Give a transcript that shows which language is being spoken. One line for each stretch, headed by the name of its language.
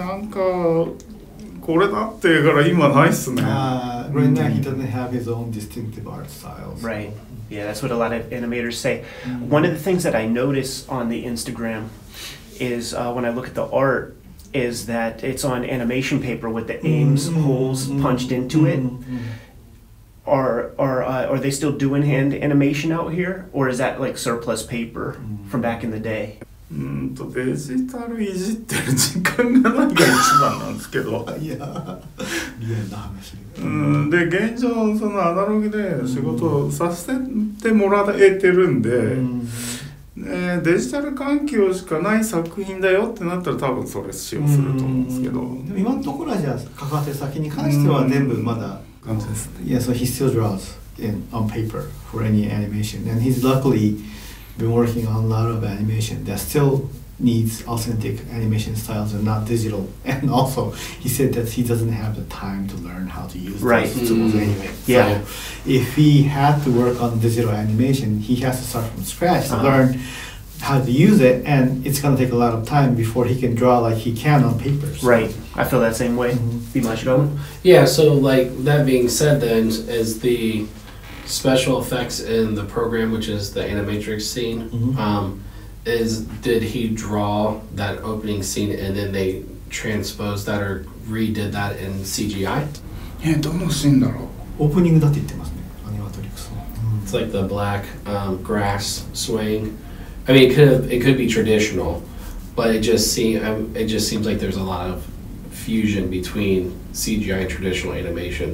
Japanese: これだってから今ないっすね。
English: Right now he doesn't have his own distinctive art style. So. Right. Yeah, that's what a lot of animators say. One of the things that I notice on the Instagram is when I look at the art, is that it's on animation paper with the aims holes punched into it. Are they still doing hand animation out here, or is that like surplus paper from back in the day?
Japanese: デジタルいじってる時間がないが一番なんですけど。いや、リアルな話。で、現状そのアナログで仕事をさせてもらえてるんで。デジタル環境しかない作品だよってなったら多分それ使用すると思うんですけど、でも今のところはじゃあ関わってる先に関しては全部まだ完成ですね。
English: Yeah, so he still draws in, on paper for any animation, and he's luckily been working on a lot of animation that still needs authentic animation styles and not digital, and also he said that he doesn't have the time to learn how to use those tools anyway. Yeah. So if he had to work on digital animation, he has to start from scratch to learn how to use it, and it's going to take a lot of time before he can draw like he can on paper. So. Right, I feel that same way. Yeah, so like that being said then, is the special effects in the program, which is the Animatrix scene, did he draw that opening scene and then they transposed that or redid that in CGI?
Japanese: Yeah, どのシーンだろう? Opening だって言ってますね、Animatrix。
English: It's like the black grass swing. I mean, it could be traditional, but it just seems like there's a lot of fusion between CGI and traditional animation.